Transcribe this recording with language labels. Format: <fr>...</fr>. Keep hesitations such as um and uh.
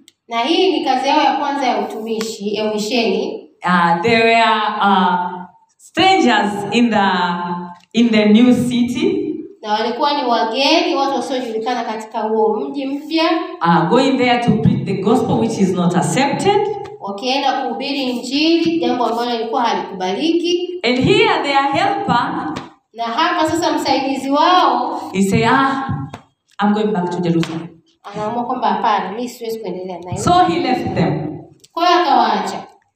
<sw>Na hii ni kazi yao ya kwanza ya utumishi ya misheni.</sw> <en>Uh, there were uh, strangers in the in the new city.</en> <sw>Na walikuwa ni wageni watu wasiojulikana katika huo mji mpya.</sw> <en>Uh, going there to preach the gospel which is not accepted</en> <sw>wakienda kuhubiri Injili, jambo ambalo ilikuwa halikubaliki.</sw> <en>And here their helper,</en> <sw>na hapa sasa msaidizi wao</sw> <en>he say, ah, I'm going back to Jerusalem.</en> <sw>Anaamua kwamba hapana, mimi siwezi kuendelea na hiyo.</sw> <en>So he left them.</en> <sw>Kwa hiyo akawaacha.</sw>